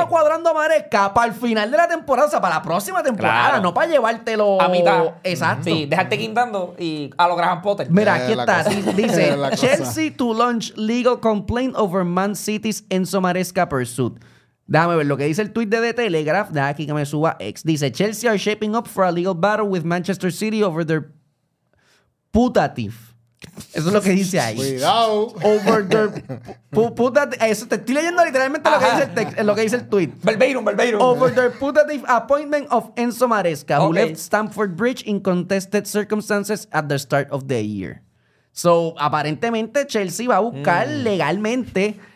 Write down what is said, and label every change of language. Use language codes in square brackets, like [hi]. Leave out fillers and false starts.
[es] Estaba cuadrando a Maresca para el final de la temporada, o sea, para la próxima temporada, claro. No para llevártelo a mitad. Exacto. Sí, dejarte guindando y a lo Graham Potter. Mira, aquí está. Dice: [en] Chelsea to launch legal complaint over Man City's Enzo Maresca pursuit. [es] Déjame ver lo que dice el tweet de The Telegraph. Deja aquí que me suba X. Dice: [en] Chelsea are shaping up for a legal battle with Manchester City over their putative. [es] Eso es lo que dice ahí. Cuidado. [en] Over their putative. [es] Eso te estoy leyendo literalmente lo que dice el tweet. [en] Verbatim. Over their putative appointment of Enzo Maresca, who left Stamford Bridge in contested circumstances at the start of the year. So, [es] aparentemente, Chelsea va a buscar legalmente